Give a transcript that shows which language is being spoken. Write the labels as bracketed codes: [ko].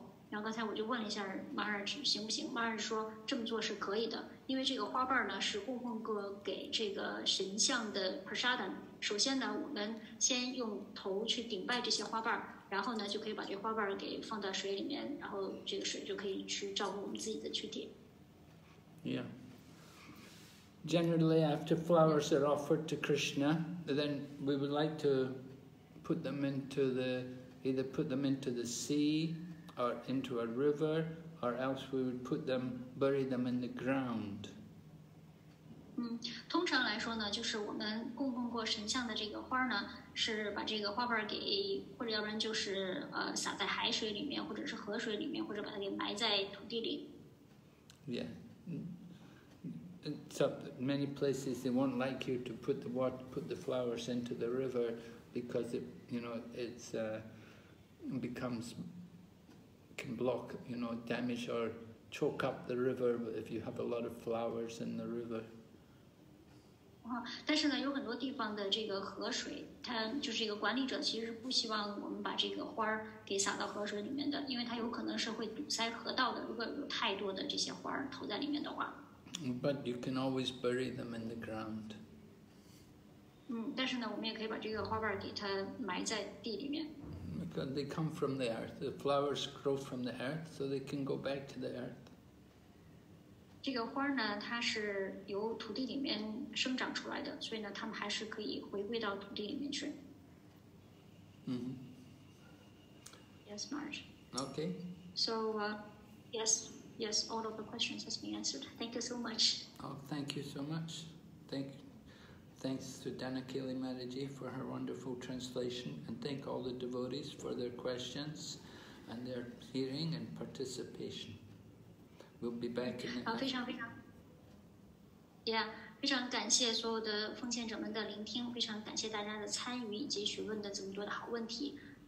[zh] 然后刚才我就问了一下马尔行不行，马尔说这么做是可以的，因为这个花瓣呢是供奉过给这个神像的 prasadam。首先呢，我们先用头去顶拜这些花瓣，然后呢就可以把这花瓣给放到水里面，然后这个水就可以去照顾我们自己的躯体。 [en] Yeah, generally after flowers are offered to Krishna, then we would like to put them into the either put them into the seaor into a river, or else we would put them, bury them in the ground. [zh] 通常来说呢，就是我们供奉过神像的这个花呢，是把这个花瓣给，或者要不然就是撒在海水里面，或者是河水里面，或者把它给埋在土地里。 [en] Yeah. So many places they won't like you to put the water, put the flowers into the river, because it, you know, it's becomes. Can block, you know, damage or choke up the river if you have a lot of flowers in the river. [zh] 但是呢，有很多地方的这个河水，它就是一个管理者，其实不希望我们把这个花给撒到河水里面的，因为它有可能是会堵塞河道的。如果有太多的这些花投在里面的话 [en] ，But you can always bury them in the ground. [zh] 但是呢，我们也可以把这个花瓣给它埋在地里面。 [en] Because they come from the earth, the flowers grow from the earth, so they can go back to the earth. [zh] 这个花呢，它是由土地里面生长出来的，所以呢，它们还是可以回归到土地里面去。 [en] Yes, Marge. Okay. So, yes, all of the questions has been answered. Thank you so much. Oh, thank you so much. Thank you. Thanks to Danakili Mataji for her wonderful translation, and thank all the devotees for their questions and their hearing and participation. We'll be back in the next. [zh] 非常非常 ，Yeah， 非常感谢所有的奉献者们的聆听，非常感谢大家的参与以及询问的这么多的好问题。